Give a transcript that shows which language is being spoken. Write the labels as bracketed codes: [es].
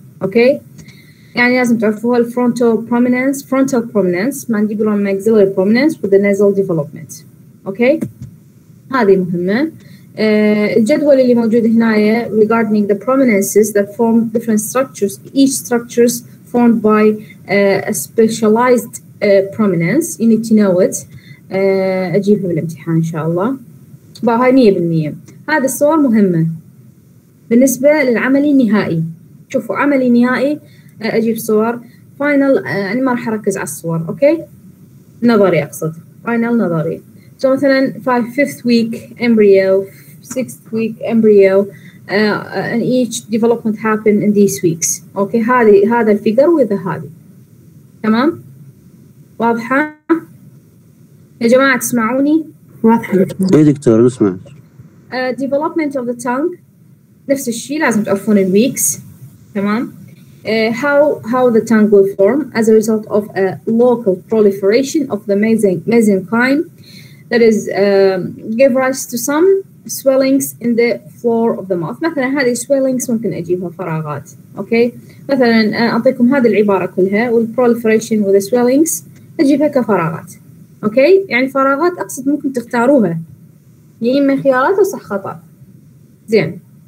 [en] Okay. [ar] يعني لازم تعرفوا [en] frontal prominence, mandibular and maxillary prominence with the nasal development. Okay. [ar] هذه مهمة. الجدول اللي موجود هنا [en] regarding the prominences that form different structures, each structures formed by a specialized prominence. You need to know it. [ar] أجيبها بالامتحان إن شاء الله. هاي 100%. هذا السؤال مهمة. بالنسبة للعملي النهائي. شوفوا عملي نهائي أجيب صور. Final أنا ما راح أركز على الصور. أوكي؟ نظري أقصد. Final نظري. [en] So, مثلا 5th week embryo, 6th week embryo, and each development happened in these weeks. [ar] Okay, هذا الفيجر وذا هذه. تمام؟ واضحة؟ يا جماعة تسمعوني؟ واضحة. إي دكتور نسمع. [en] Development of the tongue, [ar] نفس الشيء لازم تعرفون ال weeks. [en] تمام؟ How the tongue will form as a result of a local proliferation of the mesenchyme. That is give rise to some swellings in the floor of the mouth. [ar] مثلا هذه swellings ممكن اجيبها فراغات. [en] Okay. [ar] مثلا اعطيكم هذه العبارة كلها وال [en] proliferation with the swellings [ar] اجيبها كفراغات. Okay. يعني فراغات اقصد ممكن تختاروها. يعني اما خيارات وصح خطأ. زين.